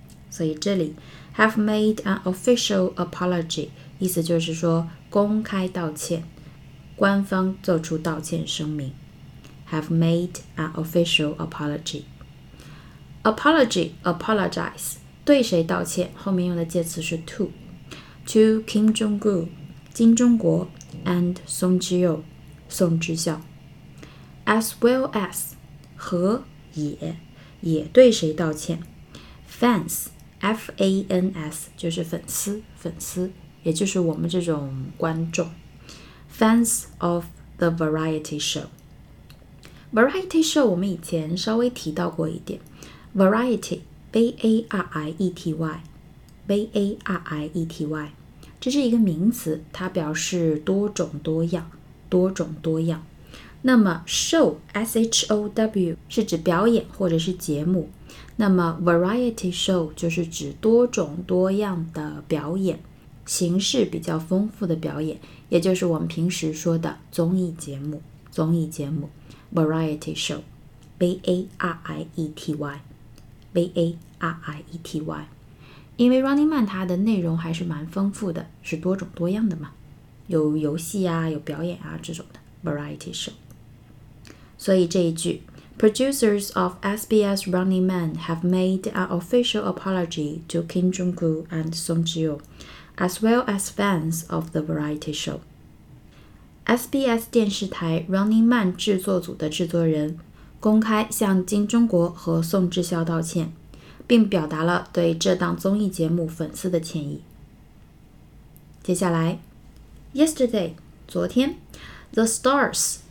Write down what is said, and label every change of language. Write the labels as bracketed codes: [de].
[zh] 所以这里 [en] have made an official apology [zh] 意思就是说公开道歉，官方做出道歉声明。 [en] have made an official apology. [zh] Apology, apologize, 对谁道歉，后面用的介词是 to Kim Jong-gil, 金钟国 and Song Ji-yeo, 宋智孝。 as well as, 和也，也对谁道歉。 fans,FANS 就是粉丝，粉丝也就是我们这种观众。 [en] Fans of the variety show. [zh] Variety show 我们以前稍微提到过一点。Variety V-A-R-I-E-T-Y V-A-R-I-E-T-Y 这是一个名词，它表示多种多样，多种多样。那么 show S-H-O-W 是指表演或者是节目，那么 variety show 就是指多种多样的表演，形式比较丰富的表演，也就是我们平时说的综艺节目。综艺节目 variety show V-A-R-I-E-T-Y V-A-R-I-E-T-Y 因为 Running Man 它的内容还是蛮丰富的，是多种多样的嘛，有游戏啊，有表演啊，这种的 variety show。所以这一句 [en] Producers of SBS Running Man have made an official apology to Kim Jong-gil and Song Ji-yeo, as well as fans of the variety show. [zh] SBS 电视台 Running Man 制作组的制作人公开向金钟国和宋智孝道歉，并表达了对这档综艺节目粉丝的歉意。接下来 ，Yesterday 昨天 ，The Stars。